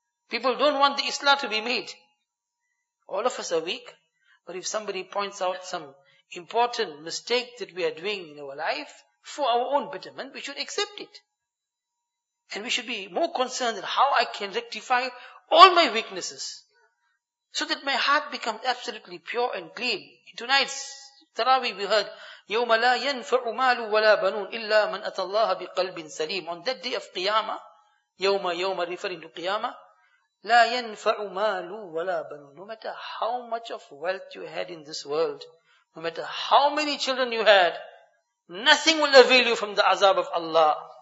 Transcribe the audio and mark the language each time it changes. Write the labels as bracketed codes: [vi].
[en] People don't want the islah to be made. All of us are weak, but if somebody points out some important mistake that we are doing in our life for our own betterment, we should accept it. And we should be more concerned in how I can rectify all my weaknesses so that my heart becomes absolutely pure and clean. In tonight's Taraweeh we heard, [ar] يَوْمَ لَا يَنْفَعُ مَالُ وَلَا بَنُونَ إِلَّا مَنْ أَتَى اللَّهَ بِقَلْبٍ سَلِيمٍ. [en] On that day of Qiyamah, يَوْمَ referring to Qiyamah, [ar] لَا يَنْفَعُ مَالُ وَلَا بَنُونَ. [en] No matter how much of wealth you had in this world, no matter how many children you had, nothing will avail you from the azab of Allah.